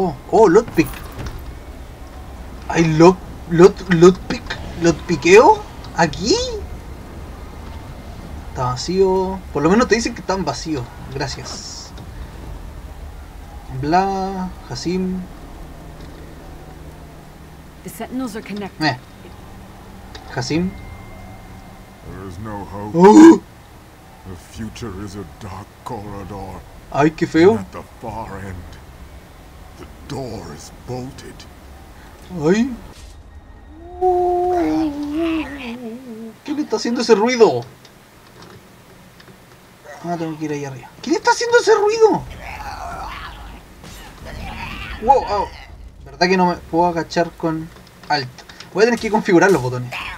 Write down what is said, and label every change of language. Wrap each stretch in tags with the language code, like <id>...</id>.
<es>¡Oh, lockpick! ¡Ay, lockpick! ¿Lot piqueo? ¿Aquí? Está vacío. Por lo menos te dicen que están vacíos. Gracias. B. bla, Hasim.</es> <en>The sentinels are connected. Hasim. There is no hope. The future is a dark corridor.</en> <es>Ay, qué feo.</es> <en>At the far end, the door is bolted. Ay.</en> <es>¿Qué le está haciendo ese ruido? Ah, tengo que ir ahí arriba. ¿Qué le está haciendo ese ruido? Wow, oh. ¿Verdad que no me puedo agachar con alt? Voy a tener que configurar los botones.</es>